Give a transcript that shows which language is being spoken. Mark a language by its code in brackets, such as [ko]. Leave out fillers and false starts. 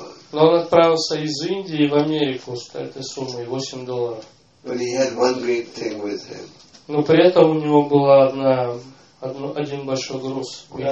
[ru] Но он отправился из Индии в Америку с этой суммой, $8. [en] But he had one great thing with him. [ru] Но при этом у него был один большой груз.